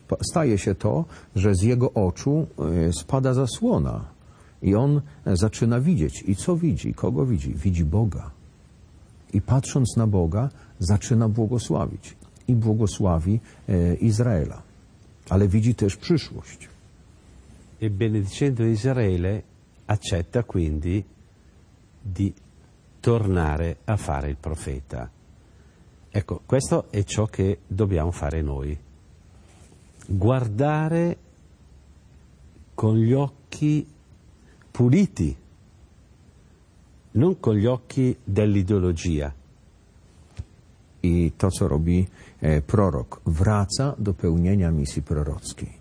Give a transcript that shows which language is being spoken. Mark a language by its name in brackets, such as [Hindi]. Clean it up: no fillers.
[Polish] Staje się to, że z jego oczu spada zasłona i on zaczyna widzieć. I co widzi? Kogo widzi? Widzi Boga. I patrząc na Boga, zaczyna błogosławić. I błogosławi Izraela. Ale widzi też przyszłość. [Italian] E benedicendo Israele accetta quindi di tornare a fare il profeta. Ecco, questo è ciò che dobbiamo fare noi. Guardare con gli occhi puliti, non con gli occhi dell'ideologia. [Polish] I to, co robi prorok, wraca do pełnienia misji prorockiej.